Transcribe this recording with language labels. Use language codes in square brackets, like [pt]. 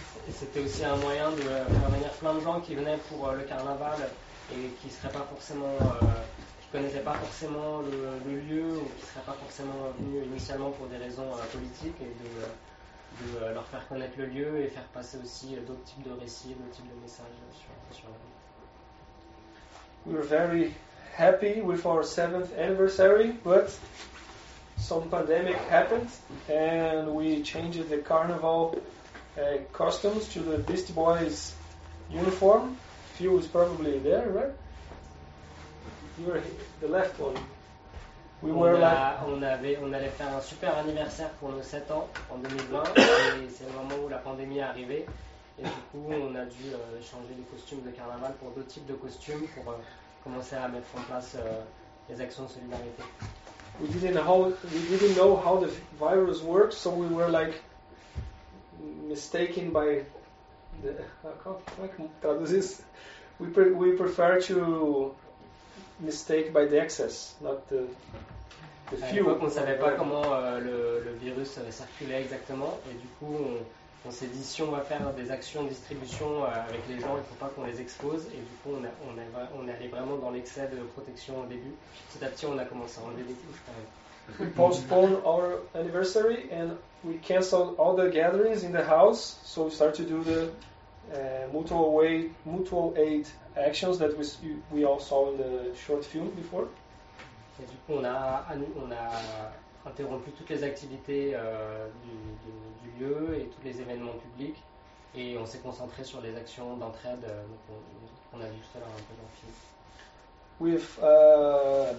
[fr] c'était aussi un moyen de faire venir plein de gens qui venaient pour le carnaval et qui seraient pas forcément, qui connaissaient pas forcément le lieu ou qui seraient pas forcément venus initialement pour des raisons politiques, et de leur faire connaître le lieu et faire passer aussi d'autres types de récits, d'autres types de messages sur la route. [en] We were very happy with our 7th anniversary, but some pandemic happened and we changed the carnival costumes to the Beastie Boys uniform. Phil is probably there, right? You are the left one. [fr] On allait faire un super anniversaire pour nos 7 ans en 2020, et c'est le moment où la pandémie est arrivée, et du coup on a dû changer les costumes de carnaval pour d'autres types de costumes pour commencer à mettre en place les actions de solidarité. [en] We didn't know how the virus worked, so we were like mistaken by the traduzis. We prefer to mistake by the excess, not the few. [fr] On ne savait pas comment le virus circulait exactement, et du coup on s'est dit si on va faire des actions de distribution avec les gens, il ne faut pas qu'on les expose, et du coup on est allé vraiment dans l'excès de protection au début. Petit à petit on a commencé à enlever des couches quand même. [en] We postponed our anniversary and we cancelled all the gatherings in the house, so we started to do the mutual aid actions that we all saw in the short film before. [fr] Et du coup on a interrompu toutes les activités du lieu et tous les événements publics, et on s'est concentré sur les actions d'entraide qu'on a vu tout à l'heure un peu dans le film.